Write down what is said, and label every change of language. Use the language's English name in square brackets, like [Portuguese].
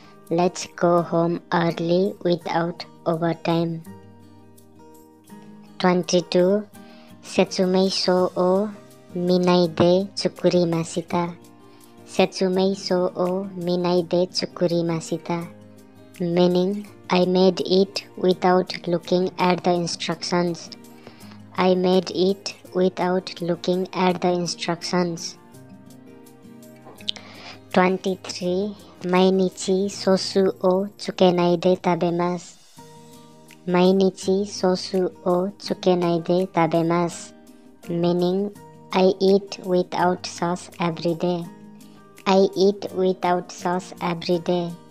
[English] Let's go home early withoutovertime. 22. [Japanese] 説明書を見ないで作りました。説明書を見ないで作りました。 [English] Meaning, I made it without looking at the instructions. I made it without looking at the instructions. 23. [Japanese] 毎日ソースをつけないで食べます。毎日ソースをつけないで食べます。 [English] Meaning, I eat without sauce every day. I eat without sauce every day.